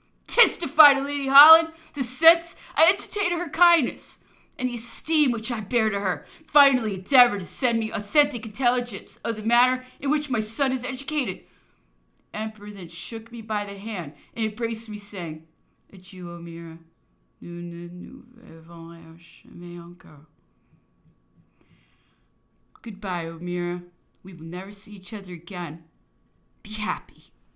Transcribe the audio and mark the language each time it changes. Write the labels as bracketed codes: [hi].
[en] Testify to Lady Holland the sense I entertain her kindness and the esteem which I bear to her. Finally, endeavor to send me authentic intelligence of the manner in which my son is educated. The emperor then shook me by the hand and embraced me, saying, adieu, O Mira. [fr] Nous ne nous verrons jamais encore. [en] Goodbye, O Mira. We will never see each other again. Be happy.